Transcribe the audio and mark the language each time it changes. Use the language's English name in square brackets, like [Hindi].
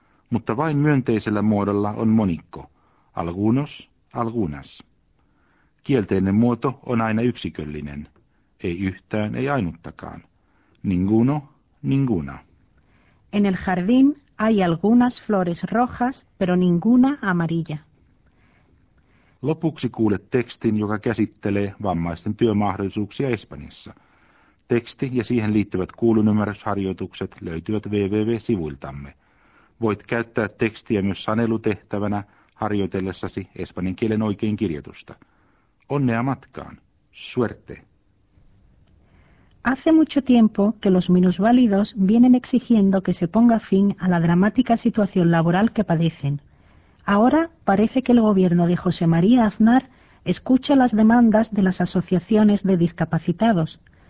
[Finnish] Mutta vain myönteisellä muodolla on monikko. [Spanish] Algunos, algunas. [Finnish] Kielteinen muoto on aina yksiköllinen. Ei yhtään, ei ainuttakaan. [Spanish] Ninguno, ninguna. En el jardín Hay algunas flores rojas, pero ninguna amarilla. [Finnish] Lopuksi kuulet tekstin, joka käsittelee vammaisten työmahdollisuuksia Espanjassa. Teksti ja siihen liittyvät kuulunymmärrysharjoitukset löytyvät www-sivuiltamme. Voit käyttää tekstiä myös sanelutehtävänä harjoitellessasi espanjan kielen oikein kirjoitusta. Onnea matkaan. [Spanish] Suerte. Hace mucho tiempo que los minusválidos vienen exigiendo que se ponga fin a la dramática situación laboral que padecen. Ahora parece que el gobierno de José María Aznar escucha las demandas de las asociaciones de discapacitados.